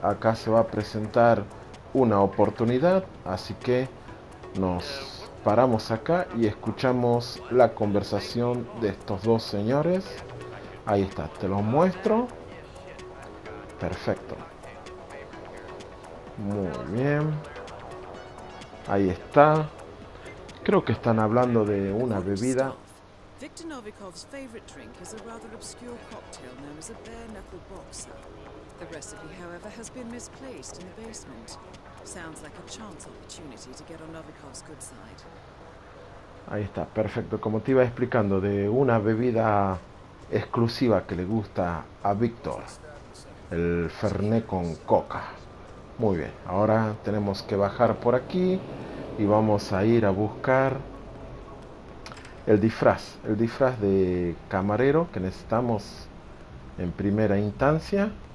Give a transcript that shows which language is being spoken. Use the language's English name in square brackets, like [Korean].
[Spanish] Acá se va a presentar una oportunidad, así que nos paramos acá y escuchamos la conversación de estos dos señores. Ahí está, te los muestro. Perfecto. Muy bien. Ahí está. Creo que están hablando de una bebida. [English] Viktor Novikov's favorite drink is a rather obscure cocktail known as a bare knuckle boxer. The recipe, however, has been misplaced in the basement. Sounds like a chance opportunity to get on Novikov's good side. [Spanish] Ahí está, perfecto. Como te iba explicando, de una bebida exclusiva que le gusta a Víctor, el Fernet con coca. Muy bien, ahora tenemos que bajar por aquí y vamos a ir a buscar el disfraz de camarero que necesitamos en primera instancia.